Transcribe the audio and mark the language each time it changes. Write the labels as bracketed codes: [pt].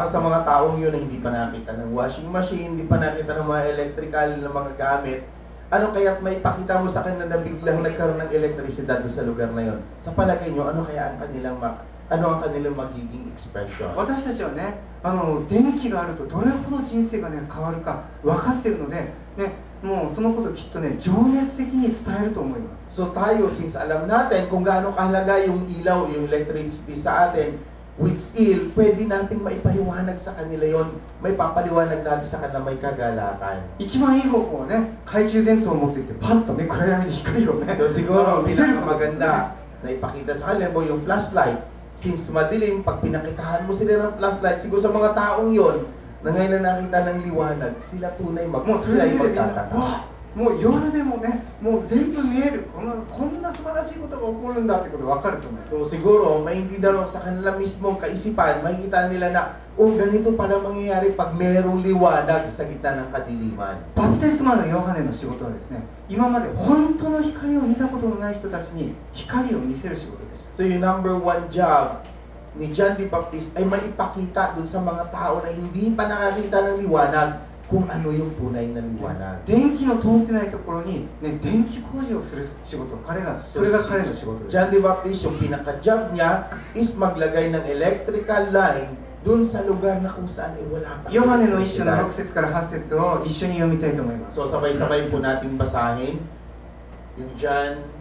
[tl] Para sa mga taong yun, hindi pa nakita ng washing machine, hindi pa nakita ng mga electrical na mga gamit, ano kaya't may pakita mo sa kanila na biglang nagkaroon ng elektrisidad sa lugar na yun? Sa palagay nyo, ano kaya ang kanilang, ano ang kanilang magiging expression? [ja] 私たちはね、あの電気があるとどれほど人生が、ね、変わるか分かってるので、ね、もうそのことをきっとね、情熱的に伝えると思います。 [tl] So tayo, since alam natin kung gaano kahalaga yung ilaw, yung electricity sa atin, with skill, pwede nating maipahiwanag sa kanila yon. May papaliwanag natin sa kanila, may kagalakan. [ja] 一番いい方向はね、懐中電灯を持っていって、パッとね、暗闇に光をね。 [tl] So siguro, pinakamaganda na ipakita sa kanila mo yung flashlight. Since madilim, pag pinakitahan mo sila ng flashlight, siguro sa mga taong yon, na ngayon na nakita ng liwanag, sila tunay magkakataka. [ja] もう夜でもね、もう全部見える。こんな素晴らしいことが起こるんだってことわかると思う。 [tl] So, siguro, may hindi daro sa kanila mismo kaisipan, makikita nila na, oh, ganito pala mangyayari pag merong liwanag sa gitna ng kadiliman. [ja] Baptisma ng Yohane の仕事はですね、今まで本当の光を見たことのない人たちに光を見せる仕事です。 [tl] So, yung number one job ni John the Baptist ay maipakita dun sa mga tao na hindi pa nakakita ng liwanag, kung ano yung tunay na liwanag. [ja] 電気の通ってないところに、ね、電気工事をする仕事、それが彼の仕事です。 [tl] John the Baptist, yung pinaka-job niya is maglagay ng electrical line dun sa lugar na kung saan ay wala pa. [ja] Yohane の一章の6節から8節を一緒に読みたいと思います。 [tl] So, sabay-sabay po natin basahin yung John,